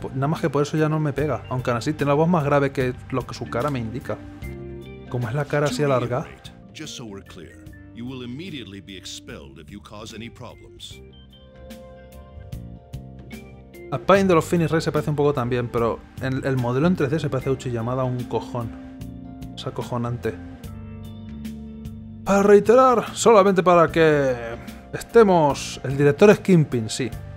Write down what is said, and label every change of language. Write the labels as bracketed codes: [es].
[es] Nada más que por eso ya no me pega. Aunque aún así tiene la voz más grave que lo que su cara me indica. Como es la cara así alargada. [en] Just so we're clear, you will immediately be expelled if you cause any problems. [es] A Pain de los Finish Race se parece un poco también, pero el modelo en 3D se parece a Uchi Yamada a un cojón. Es acojonante. Para reiterar, solamente para que estemos... El director es Kingpin, sí.